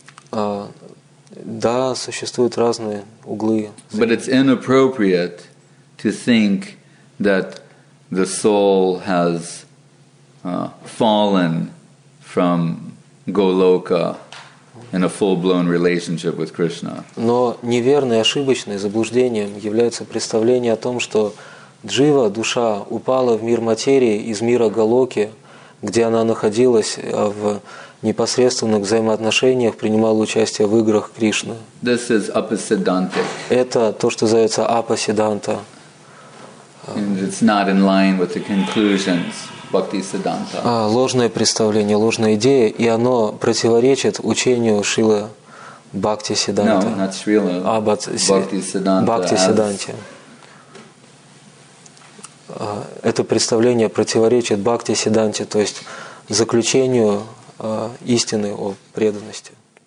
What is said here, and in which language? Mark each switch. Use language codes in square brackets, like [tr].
[ru] Да, существуют разные углы. [en] But it's inappropriate to think that the soul has fallen from Goloka in a full-blown relationship with Krishna. [ru] Но неверно и ошибочно, и заблуждением является представление о том, что джива, душа, упала в мир материи из мира Голоки, где она находилась в непосредственных взаимоотношениях, принимала участие в играх Кришны. [en] This is apasiddhanta. [ru] Это то, что называется апасиддханта. [en] And it's not in line with the conclusions. [ru] Ложное представление, ложная идея, и оно противоречит учению Шрилы Бхакти Сидданты. [en] No, not Shrila, [ru] Бхакти Сидданте. Это представление противоречит Бхакти Сидданте, то есть заключению истины о преданности.